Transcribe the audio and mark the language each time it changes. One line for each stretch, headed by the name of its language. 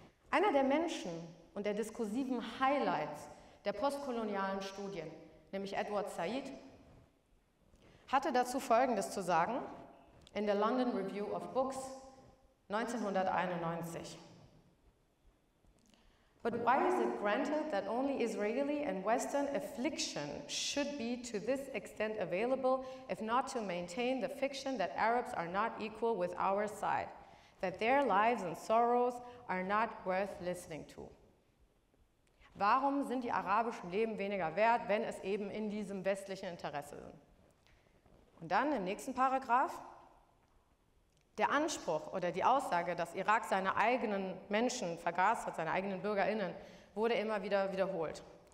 German: Einer der Menschen und der diskursiven Highlights der postkolonialen Studien, nämlich Edward Said, hatte dazu Folgendes zu sagen in der London Review of Books 1991.
English: But why is it granted that only Israeli and Western affliction should be to this extent available, if not to maintain the fiction that Arabs are not equal with our side, that their lives and sorrows are not worth listening to?
German: Warum sind die arabischen Leben weniger wert, wenn es eben in diesem westlichen Interesse sind? Und dann im nächsten Paragraph. Der Anspruch oder die Aussage, dass Irak seine eigenen Menschen vergast hat, seine eigenen BürgerInnen, wurde immer wieder wiederholt.